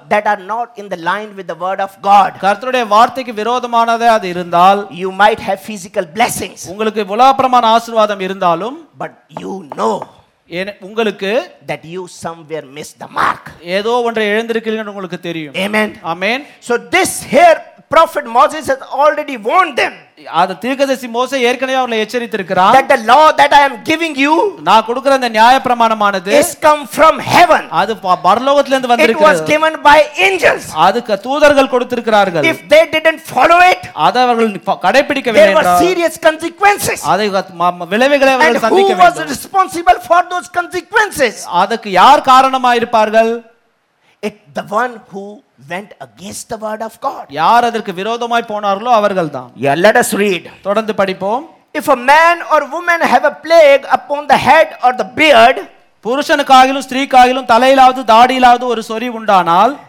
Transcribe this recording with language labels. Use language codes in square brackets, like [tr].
[en] that are not in the line with the word of God, [ta] கர்த்தருடைய வார்த்தைக்கு விரோதமானதே அது இருந்தால், [en] you might have physical blessings, [ta] உங்களுக்கு உலகப்பிரமான ஆசீர்வாதம் இருந்தாலும், [en] but you know, [ta] உங்களுக்கு, [en] that you somewhere missed the mark, [ta] ஏதோ ஒன்றை இழந்திருக்கிறீர்கள் உங்களுக்கு தெரியும். [en] Amen. Amen. So this here prophet Moses has already warned them, [ta] அது தீர்க்கதரிசி மோசே ஏற்கனவே அவர்களை எச்சரித்திருக்கிறார். [en] That the law that I am giving you, [ta] நான் கொடுக்கிற அந்த நியாயப்பிரமாணமானது, [en] is come from heaven, [ta] அது பரலோகத்திலிருந்து வந்திருக்கிறது. [en] It was given by angels, [ta] அதுக்கு தூதர்கள் கொடுத்திருக்கிறார்கள். [en] If they didn't follow it, [ta] அதை அவர்கள் கடைபிடிக்கவில்லை என்றால், [en] there were serious consequences, [ta] அதை விளைவுகளை அவர்கள் சந்திக்க வேண்டும். [en] And who was responsible for those consequences? [ta] அதுக்கு யார் காரணமா இருப்பார்கள்? [en] It the one who went against the word of God. [ta] யார் அதற்கு விரோதமாய் போனார்களோ அவர்கள்தான். [en] Yeah, let us read. [ta] தொடர்ந்து படிப்போம். [en] If a man or woman have a plague upon the head or the beard, [ta] புருஷனுக்காகிலும் ஸ்திரீக்காகிலும் தலையிலாவது தாடியிலாவது ஒரு சொறி உண்டானால்,